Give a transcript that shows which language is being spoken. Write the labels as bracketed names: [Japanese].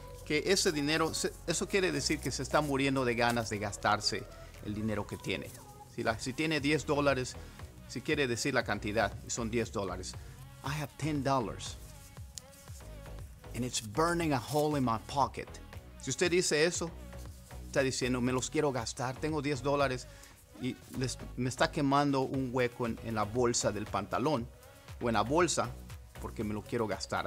[Spanish] Que ese dinero, eso quiere decir que se está muriendo de ganas de gastarse el dinero que tiene. Si tiene $10, si quiere decir la cantidad, son $10. [English] I have $10. And it's burning a hole in my pocket. [Spanish] Si usted dice eso, está diciendo, me los quiero gastar, tengo $10. Y me está quemando un hueco en la bolsa del pantalón. O en la bolsa, porque me lo quiero gastar.